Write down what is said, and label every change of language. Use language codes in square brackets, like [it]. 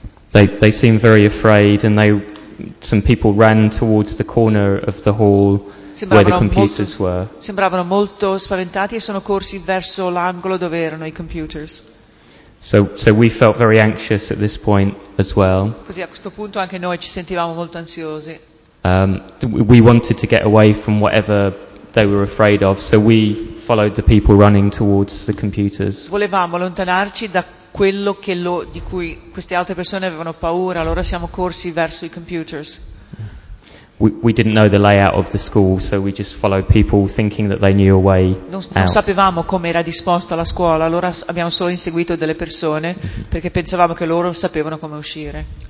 [en] They seemed very afraid, and some people ran towards the corner of the hall. [it] Sembravano molto spaventati e sono corsi verso l'angolo dove erano i computers. [en] So we felt very anxious at this point as well. [it] Così a questo punto anche noi ci sentivamo molto ansiosi. [en] We wanted to get away from whatever they were afraid of, so we followed the people running towards the computers. [it] Volevamo allontanarci da quello che lo, di cui queste altre persone avevano paura, allora siamo corsi verso i computers. [en] We didn't know the layout of the school, so we just followed people thinking that they knew a way out. [it] Non sapevamo come era disposta la scuola, allora abbiamo solo inseguito delle persone perché pensavamo che loro sapevano come uscire.